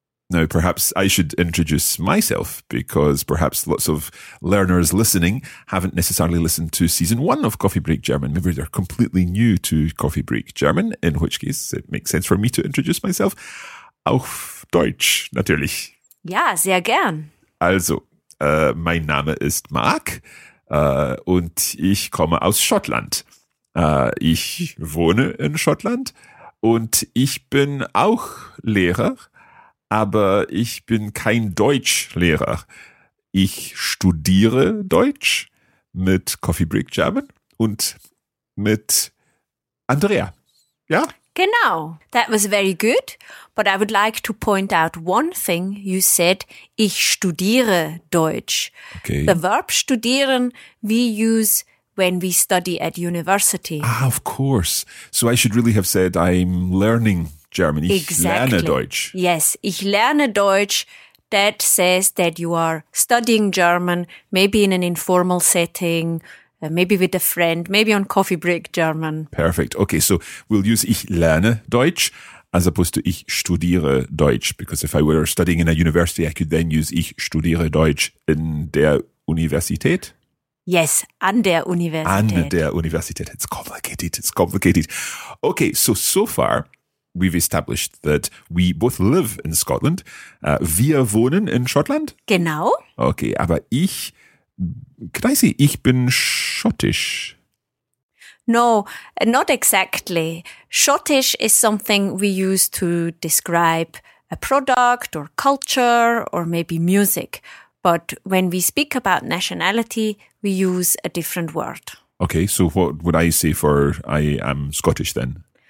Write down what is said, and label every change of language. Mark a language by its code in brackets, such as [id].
[en] Now, perhaps I should introduce myself, because perhaps lots of learners listening haven't necessarily listened to season one of Coffee Break German. Maybe they're completely new to Coffee Break German, in which case it makes sense for me to introduce myself. [de] Auf Deutsch, natürlich. Ja, sehr gern. Also, mein Name ist Marc und ich komme aus Schottland. Ich wohne in Schottland und ich bin auch Lehrer. Aber ich bin kein Deutschlehrer. Ich studiere Deutsch mit Coffee Break German und mit Andrea. Ja? Genau. [en] That was very good. But I would like to point out one thing. You said, [de] ich studiere Deutsch. [en] Okay. The verb studieren we use when we study at university. Ah, of course. So I should really have said, I'm learning German. [de] Ich [en] exactly. [de] lerne Deutsch. Yes, ich lerne Deutsch. [en] That says that you are studying German, maybe in an informal setting, maybe with a friend, maybe on coffee break German. Perfect. Okay, so we'll use [de] ich lerne Deutsch [en] as opposed to [de] ich studiere Deutsch, [en] because if I were studying in a university, I could then use [de] ich studiere Deutsch in der Universität. Yes, an der Universität. An der Universität. [en] It's complicated. It's complicated. Okay, so far, we've established that we both live in Scotland. [de] Wir wohnen in Schottland. Genau. Okay, aber ich, [en] could I say, [de] ich bin schottisch? [en] No, not exactly. Schottisch is something we use to describe a product or culture or maybe music. But when we speak about nationality, we use a different word. Okay, so what would I say for I am Scottish then?